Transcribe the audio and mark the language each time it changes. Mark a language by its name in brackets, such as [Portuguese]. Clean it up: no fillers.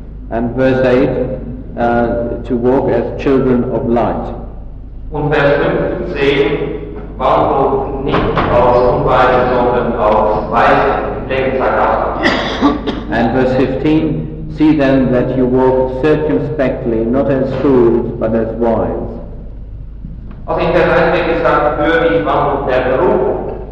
[English] And verse 8, to walk as children of light. [German] Und Vers 15, wandelt nicht als Unweise, sondern als Weise, Lebensergaben. [English] And verse 15, see then that you walk circumspectly, not as fools, but as wise. [German] Also in Vers 1 wird gesagt, für die Wandel der Berufung.